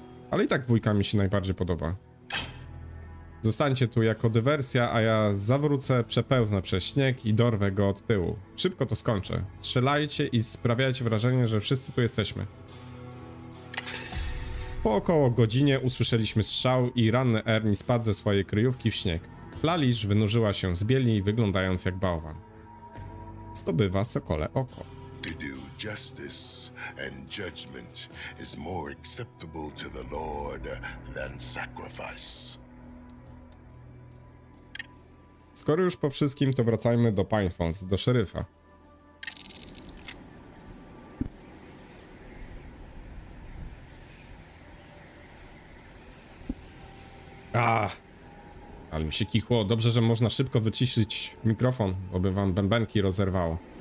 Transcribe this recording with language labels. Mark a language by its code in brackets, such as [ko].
[pl] Ale i tak dwójka mi się najbardziej podoba. Zostańcie tu jako dywersja, a ja zawrócę, przepełznę przez śnieg i dorwę go od tyłu. Szybko to skończę. Strzelajcie i sprawiajcie wrażenie, że wszyscy tu jesteśmy. Po około godzinie usłyszeliśmy strzał i ranny Erni spadł ze swojej kryjówki w śnieg. Kleilish wynurzyła się z bieli, wyglądając jak bałwan. Zdobywa sokole oko. [en] To do justice and judgment is more acceptable to the Lord than sacrifice. [pl] Skoro już po wszystkim, to wracajmy do Pinefalls, do szeryfa. Ale mi się kichło. Dobrze, że można szybko wyciszyć mikrofon, bo by wam bębenki rozerwało.